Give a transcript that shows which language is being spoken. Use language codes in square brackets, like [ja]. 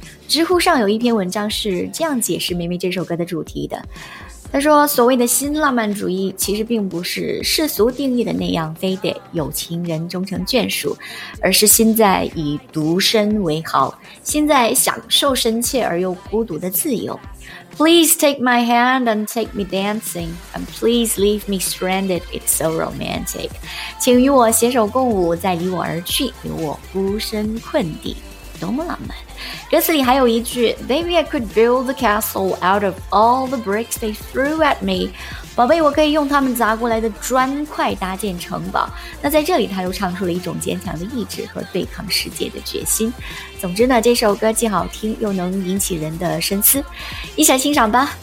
[zh] 知乎上有一篇文章是这样解释妹妹这首歌的主题的，他说所谓的新浪漫主义其实并不是世俗定义的那样非得有情人终成眷属，而是心在以独身为豪，心在享受深切而又孤独的自由。 [en] Please take my hand and take me dancing, and please leave me stranded, it's so romantic. [zh] 请与我携手共舞，再离我而去，留我孤身困地，多么浪漫。歌词里还有一句 [en] Baby, I could build the castle out of all the bricks they threw at me. [zh] 宝贝，我可以用他们砸过来的砖块搭建城堡。那在这里他又唱出了一种坚强的意志和对抗世界的决心。总之呢，这首歌既好听又能引起人的深思，一起来欣赏吧。